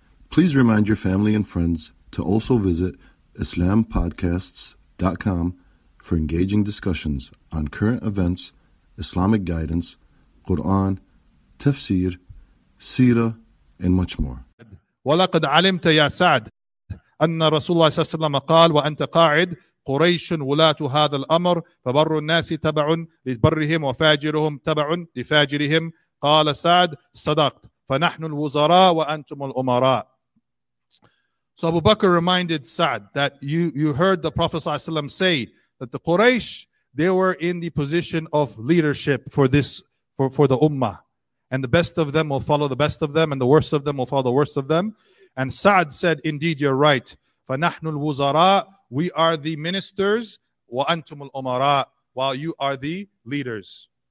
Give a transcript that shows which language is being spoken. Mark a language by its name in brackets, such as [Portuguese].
[English] Please remind your family and friends to also visit IslamPodcasts.com for engaging discussions on current events, Islamic guidance, Quran, tafsir, seerah, and much more. [Arabic] وَلَقَدْ عَلِمْتَ يَا سَعْدَ أن رسول الله صلى الله عليه وسلم قال وأنت قاعد قريش ولاة هذا الأمر فبر الناس تبع لبرهم وفاجرهم تبع لفاجرهم قال سعد صدقت فنحن الوزراء وأنتم الأمراء. [English] So Abu Bakr reminded Sa'd that you heard the Prophet [Arabic] صلى الله عليه وسلم [English] say that the Quraysh, they were in the position of leadership for the Ummah, and the best of them will follow the best of them, and the worst of them will follow the worst of them. And Sa'd said, indeed, you're right. [Arabic] فَنَحْنُ الْوُزَرَاء, [English] we are the ministers, [Arabic] وَأَنْتُمُ الْأُمَرَاء, [English] while you are the leaders.